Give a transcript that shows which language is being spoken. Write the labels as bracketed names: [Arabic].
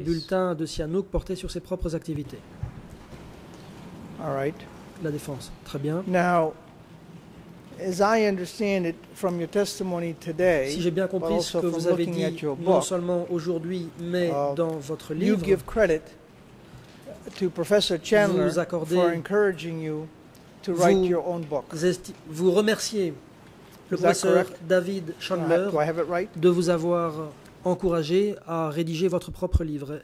[French] Le bulletin de Sihanouk portait sur ses propres activités. [English] All right. [French] La défense. Très bien. [English] Now, as I understand it from your testimony today, [French] si j'ai bien compris ce que vous avez dit, non seulement aujourd'hui, mais dans votre livre, [English] you give credit to Professor Chandler [French] vous [English] accordez, for encouraging you to write your own book. [French] Vous remerciez. Le professeur David Chandler [English] right? [French] de vous avoir encouragé à rédiger votre propre livre.